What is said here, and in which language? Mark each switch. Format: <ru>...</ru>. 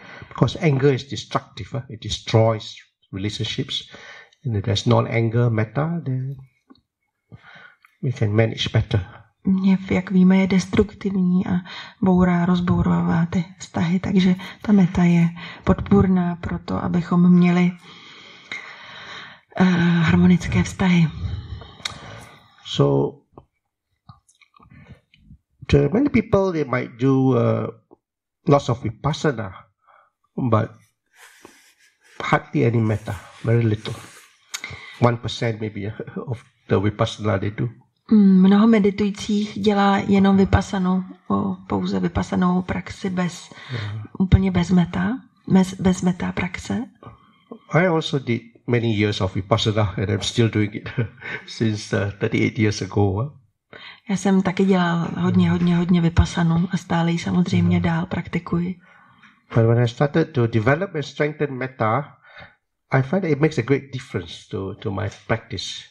<en>Because anger is destructive, it destroys relationships. And if there's non-anger metta, then we can manage better.</en> <cs>Hněv, jak víme, je destruktivní a bourá, rozbourává ty vztahy, takže ta meta je podpůrná pro to, abychom měli harmonické vztahy.</cs> <en>So, to many people, they might do lots of vipassana, but hardly any meta, very little. 1% maybe of the vipassana they do.</en> <cs>Mnoho meditujících dělá jenom vipassanu, pouze vipassanovou praxi bez úplně bez meta, bez meta praxe.</cs> <en>I also did many years of vipassana and I'm still doing it since 38 years ago.</en> <cs>Já jsem taky dělal hodně vipassanu a stále ji samozřejmě dál praktikuji.</cs> <en>But when I started to develop and strengthen metta, I find that it makes a great difference to my practice.</en>